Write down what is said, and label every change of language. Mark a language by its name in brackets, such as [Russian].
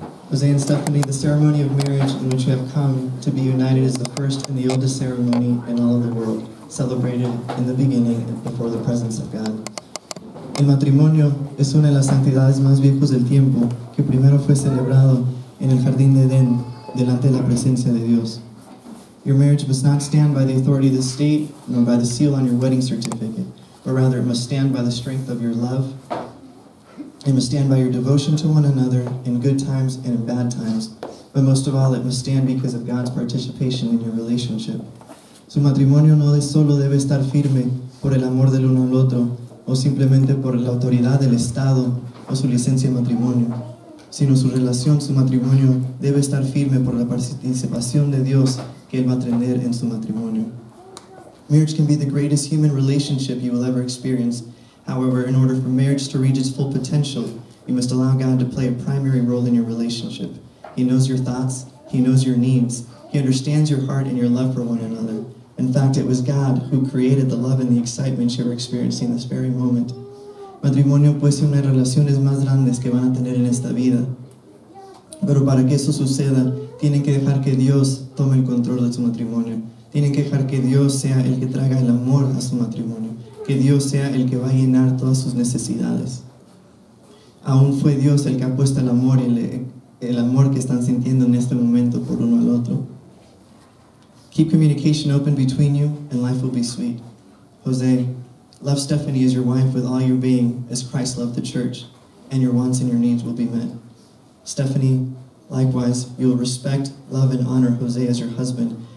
[English] Jose and Stephanie, the ceremony of marriage in which you have come to be united is the first and the oldest ceremony in all of the world, celebrated in the beginning and before the presence of God. [Spanish] El matrimonio es una de las santidades más viejos del tiempo, que primero fue celebrado en el jardín de Edén, delante de la presencia de Dios. [English] Your marriage must not stand by the authority of the state, nor by the seal on your wedding certificate, but rather it must stand by the strength of your love. It must stand by your devotion to one another in good times and in bad times. But most of all, it must stand because of God's participation in your relationship. [Spanish] Su matrimonio no solo debe estar firme por el amor del uno al otro, o simplemente por la autoridad del Estado o su licencia de matrimonio, sino su relación, su matrimonio, debe estar firme por la participación de Dios que él va a tener en su matrimonio. [English] Marriage can be the greatest human relationship you will ever experience. However, in order for marriage to reach its full potential, you must allow God to play a primary role in your relationship. He knows your thoughts, he knows your needs, he understands your heart and your love for one another. In fact, it was God who created the love and the excitement you're experiencing this very moment. [Spanish] Matrimonio puede ser una de las relaciones más grandes que van a tener en esta vida. Pero para que eso suceda, tienen que dejar que Dios tome el control de su matrimonio. Tienen que dejar que Dios sea el que traiga el amor a su matrimonio. Que Dios sea el que va a llenar todas sus necesidades. Aún fue Dios el que ha puesto el amor y el amor que están sintiendo en este momento por uno al otro. [English] Keep communication open between you and life will be sweet. Jose, love Stephanie as your wife with all your being as Christ loved the church, and your wants and your needs will be met. Stephanie, likewise, you will respect, love, and honor Jose as your husband.